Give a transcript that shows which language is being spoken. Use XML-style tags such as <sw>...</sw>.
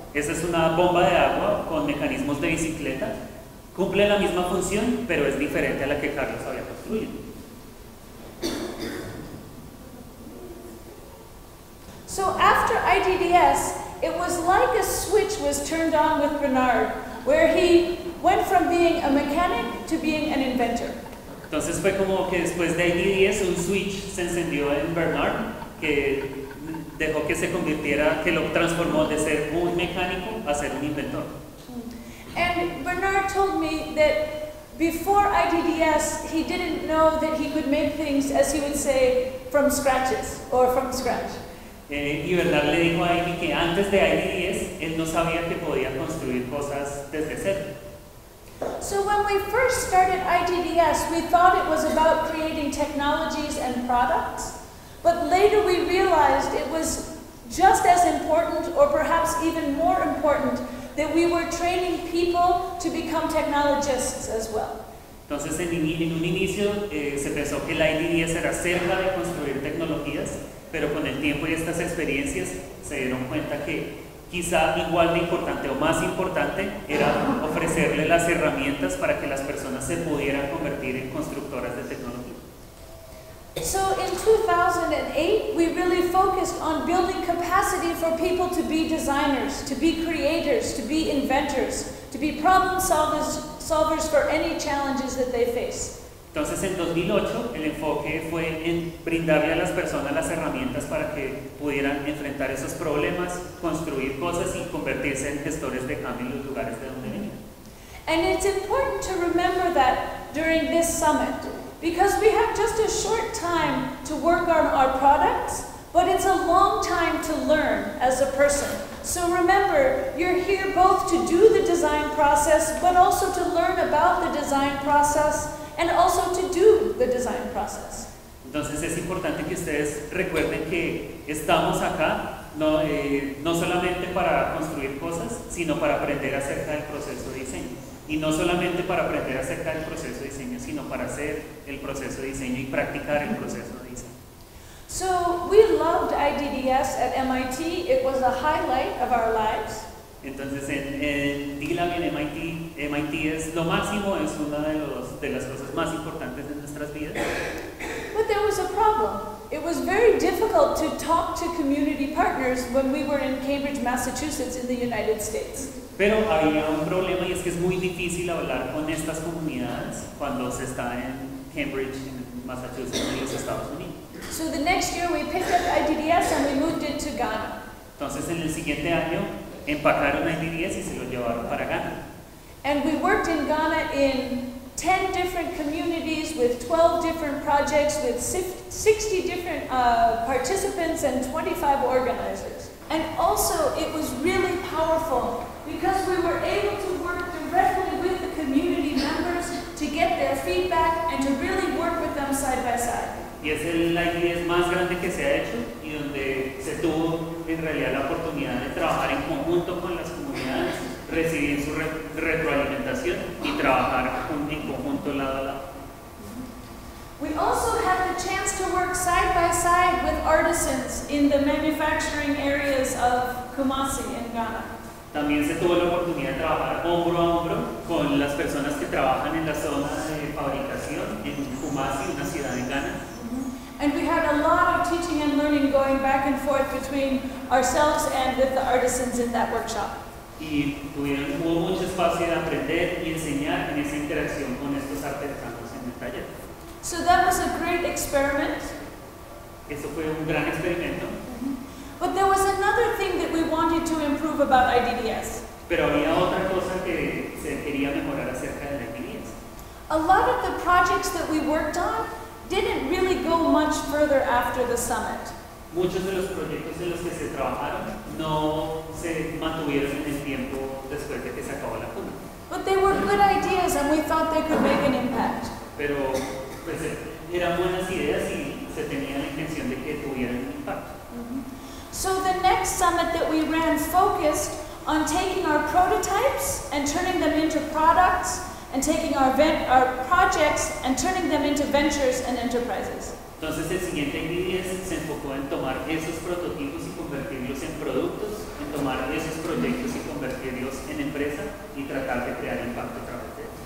<es>Esa es una bomba de agua con mecanismos de bicicleta. Cumple la misma función, pero es diferente a la que Carlos había construido.</es> <en>So after IDDS, it was like a switch was turned on with Bernard, where he went from being a mechanic to being an inventor.</en> <es>Entonces fue como que después de IDDS un switch se encendió en Bernard, que dejó que se convirtiera, que lo transformó de ser un mecánico a ser un inventor.</es> <en>And Bernard told me that before IDDS, he didn't know that he could make things, as he would say, from scratches or from scratch.</en> <es>Y Bernard le dijo a Amy que antes de IDDS, él no sabía que podía construir cosas desde cero.</es> <en>So when we first started IDDS, we thought it was about creating technologies and products, but later we realized it was just as important, or perhaps even more important, that we were training people to become technologists as well.</en> <es>Entonces en un inicio se pensó que la IDDS era acerca de construir tecnologías, pero con el tiempo y estas experiencias se dieron cuenta que quizá igual de importante o más importante era ofrecerle las herramientas para que las personas se pudieran convertir en constructoras de tecnología.</es> <en>So in 2008 we really focused on building capacity for people to be designers, to be creators, to be inventors, to be problem solvers for any challenges that they face.</en> <es>Entonces en 2008 el enfoque fue en brindarle a las personas las herramientas para que pudieran enfrentar esos problemas, construir cosas y convertirse en gestores de cambio en los lugares de donde venían.</es> <en>And it's important to remember that during this summit, because we have just a short time to work on our products, but it's a long time to learn as a person. So remember, you're here both to do the design process, but also to learn about the design process, and also to do the design process.</en> <es>Entonces es importante que ustedes recuerden que estamos acá no solamente para construir cosas, sino para aprender acerca del proceso de diseño. Y no solamente para aprender acerca del proceso de diseño, sino para hacer el proceso de diseño y practicar el proceso de diseño.</es> <en>So we loved IDDS at MIT. It was a highlight of our lives.</en> <es>Entonces en D-Lab en MIT, MIT es lo máximo, es una de las cosas más importantes de nuestras vidas.</es> <en>But there was a problem. It was very difficult to talk to community partners when we were in Cambridge, Massachusetts in the United States.</en> <es>Pero había un problema y es que es muy difícil hablar con estas comunidades cuando se está en Cambridge, en Massachusetts, en los Estados Unidos.</es> <en>So the next year we picked up IDDS and we moved it to Ghana.</en> <es>Entonces en el siguiente año empacaron IDDS y se lo llevaron para Ghana.</es> <en>And we worked in Ghana in 10 different communities with 12 different projects with 60 different participants and 25 organizers. And also it was really powerful because we were able to work directly with the community members to get their feedback and to really work with them side by side.</en> <es>Y es el IDDS más grande que se ha hecho y donde se tuvo en realidad la oportunidad de trabajar en conjunto con las comunidades, recibir su retroalimentación y trabajar en conjunto lado a lado.</es> <en>We also had the chance to work side by side with artisans in the manufacturing areas of Kumasi in Ghana.</en> <es>También se tuvo la oportunidad de trabajar hombro a hombro con las personas que trabajan en la zona de fabricación en Kumasi, una ciudad en Ghana.</es> <en>And we had a lot of teaching and learning going back and forth between ourselves and with the artisans in that workshop.</en> <es>Y hubo mucho espacio de aprender y enseñar en esa interacción con estos artesanos en el taller.</es> <en>So that was a great experiment.</en> <es>Eso fue un gran experimento.</es> <en>But there was another thing that we wanted to improve about IDDS.</en> <es>Pero había otra cosa que se quería mejorar acerca de la IDDS.</es> <en>A lot of the projects that we worked on didn't really go much further after the summit.</en> <es>Muchos de los proyectos en los que se trabajaron no se mantuvieron en el tiempo después de que se acabó la cumbre.</es> <en>But they were good ideas and we thought they could make an impact.</en> <es>Pero pues eran buenas ideas y se tenía la intención de que tuvieran un impacto.</es> <en>So the next summit that we ran focused on taking our prototypes and turning them into products, and taking our projects and turning them into ventures and enterprises.</en> <es>Entonces el siguiente IDDS se enfocó en tomar esos prototipos y convertirlos en productos, en tomar esos proyectos y convertirlos en empresa y tratar de crear impacto a través de ellos.</es>